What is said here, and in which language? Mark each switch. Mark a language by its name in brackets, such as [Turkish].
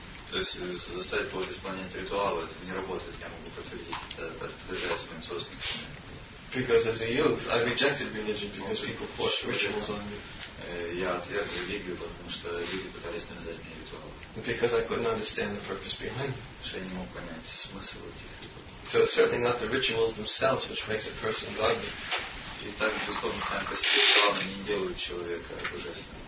[Russian] То есть заставить кого-то исполнять ритуалы — это не работает, я могу подтверждать своим собственным. [English] Because as a youth, I rejected religion because people forced rituals on me. [Russian] Я отверг религию, потому что люди пытались навязать мне ритуалы. [English] Because I couldn't understand the purpose behind it. [Russian] Я не мог понять смысл этих ритуалов. [English] So it's certainly not the rituals themselves which makes a person godly. [Russian] И так, безусловно, сами по себе ритуалы не делают человека божественным.